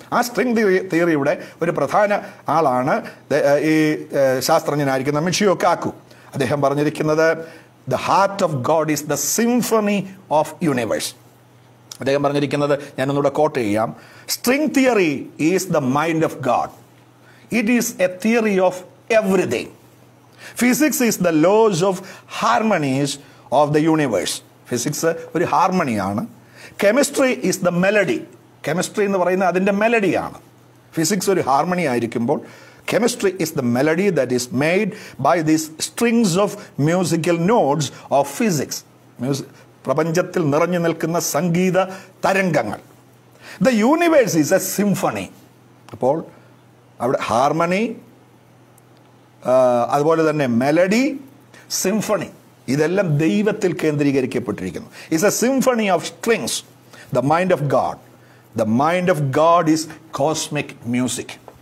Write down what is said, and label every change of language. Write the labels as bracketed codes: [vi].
[ml] ആ സ്ട്രിംഗ് തിയറിയുടെ ഒരു പ്രധാന ആളാണ് ഈ ശാസ്ത്രജ്ഞനായിരിക്കുന്ന മിഷിയോ കാക്കു. അദ്ദേഹം പറഞ്ഞിരിക്കുന്നത് [en] The heart of God is the symphony of universe. [ml] അദ്ദേഹം പറഞ്ഞിരിക്കുന്നത്, ഞാനൊന്നുകൂടെ കോട്ട് ചെയ്യാം, [en] String theory is the mind of God. It is a theory of everything. Physics is the laws of harmonies of the universe. [ml] Physics oru harmony aanu. [en] Chemistry is the melody. [ml] Chemistry ennu parayna adinte melody aanu. [en] Physics oru harmony aayirikkumbol chemistry is the melody that is made by these strings of musical notes of physics. [ml] Prapanchathil niranju nilkunna sangeetha tarangangal. [en] The universe is a symphony. [ml] Appol avade harmony, അതുപോലെ തന്നെ melody, symphony, ഇതെല്ലാം ദൈവത്തിൽ കേന്ദ്രീകരിക്കപ്പെട്ടിരിക്കുന്നു. [en] Is a symphony of strings, the mind of God. The mind of God is cosmic music.